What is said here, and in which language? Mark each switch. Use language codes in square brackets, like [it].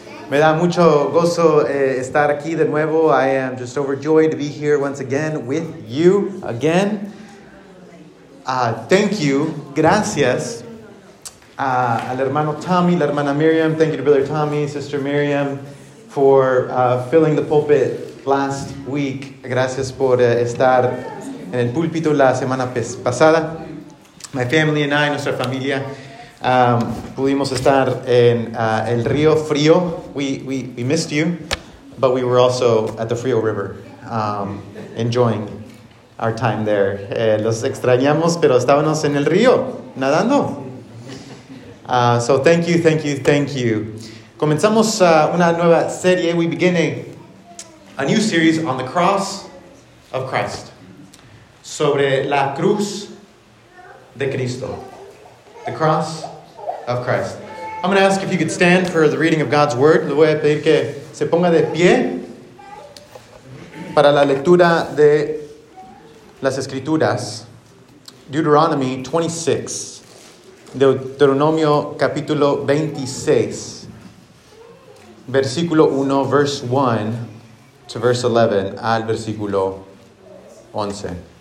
[es] Me da mucho gozo estar aquí de nuevo. [en] I am just overjoyed to be here once again with you again. Thank you. [es] Gracias. Al hermano Tommy, la hermana Miriam. [en] Thank you to Brother Tommy, Sister Miriam, for filling the pulpit last week. [es] Gracias por estar en el púlpito la semana pasada. [en] My family and I, [es] nuestra familia, pudimos estar en el río frío. [en] We missed you, but we were also at the Frio River, enjoying our time there. [es] Los extrañamos, pero estábamos en el río, nadando. [en] So thank you, thank you, thank you. [es] Comenzamos una nueva serie. [en] We begin a new series on the cross of Christ. [es] Sobre la cruz de Cristo. [en] The cross of Christ. I'm going to ask if you could stand for the reading of God's word. [es] Le voy a pedir que se ponga de pie para la lectura de las escrituras. [en] Deuteronomy 26. [es] Deuteronomio capítulo 26. Versículo 1, [en] verse 1 to verse 11, [es] al versículo 11.